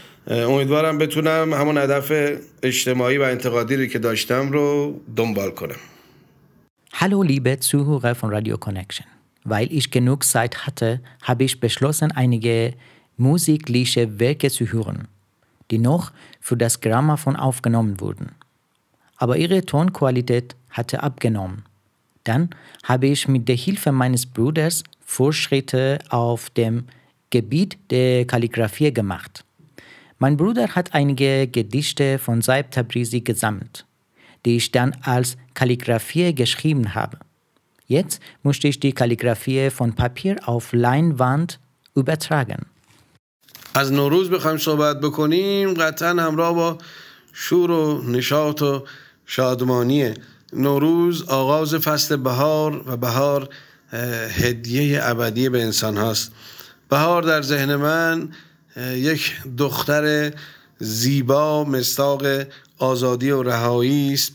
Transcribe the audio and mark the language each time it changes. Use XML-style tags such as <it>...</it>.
<fa>امیدوارم بتونم همون هدف اجتماعی و انتقادی رو که داشتم رو دنبال کنم.</fa> <de>Hallo liebe Zuhörer von Radio Connection. Weil ich genug Zeit hatte, habe ich beschlossen, einige musikalische Werke zu hören, die noch für das Grammophon aufgenommen wurden. Aber ihre Tonqualität hatte abgenommen. Dann habe ich mit der Hilfe meines Bruders Fortschritte auf dem Gebiet der Kalligraphie gemacht. Mein Bruder hat einige Gedichte von Saeb Tabrizi gesammelt, die ich dann als Kalligraphie geschrieben habe. Jetzt musste ich die Kalligraphie von Papier auf Leinwand übertragen.</de> <fa>از نوروز بخوایم صحبت بکنیم، قطعا همراه با شور و نشاط و شادمانیه. نوروز آغاز فصل بهار و بهار هدیه ابدی به انسان هاست. بهار در ذهن من یک دختر زیبا مصداق آزادی و رهایی است.</fa>